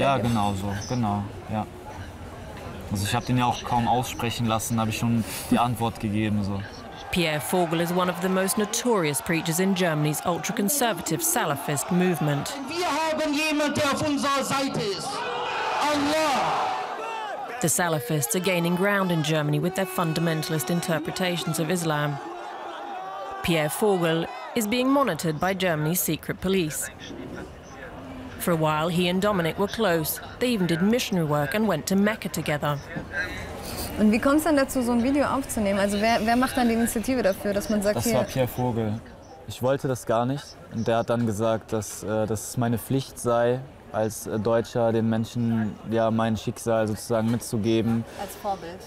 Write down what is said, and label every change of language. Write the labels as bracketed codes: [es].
[de] Ja, genau so, genau, ja. Also ich habe den ja auch kaum aussprechen lassen, habe ich schon die Antwort gegeben. So. [en] Pierre Vogel is one of the most notorious preachers in Germany's ultra-conservative Salafist movement. [de] Wir haben jemand, der auf unserer Seite ist. [ar] Allah. [en] The Salafists are gaining ground in Germany with their fundamentalist interpretations of Islam. Pierre Vogel is being monitored by Germany's secret police. For a while, he and Dominik were close. They even did missionary work and went to Mecca together. [de] Und wie kommt es dann dazu, so ein Video aufzunehmen? Also wer macht dann die Initiative dafür, dass man sagt, das hier... Das war Pierre Vogel. Ich wollte das gar nicht. Und der hat dann gesagt, dass es meine Pflicht sei, als Deutscher den Menschen ja, mein Schicksal sozusagen mitzugeben. Als Vorbild.